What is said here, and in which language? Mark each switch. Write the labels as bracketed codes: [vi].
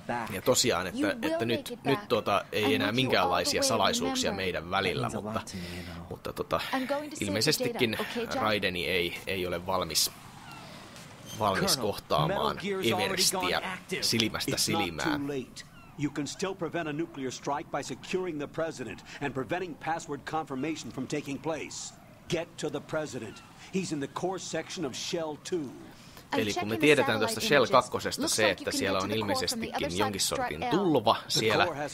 [fi] Ja tosiaan, että nyt tuota, ei enää minkäänlaisia salaisuuksia meidän välillä, mutta tuota, ilmeisestikin Raideni ei ole valmis kohtaamaan Everstiä silmästä silmään. [en] You can still prevent a nuclear strike by securing the president and preventing password confirmation from taking place. Get to the president. He's in the core section of Shell 2. [fi] Eli kun me tiedetään tuosta Shell 2, se, että siellä on ilmeisestikin jonkin sortin tulva siellä.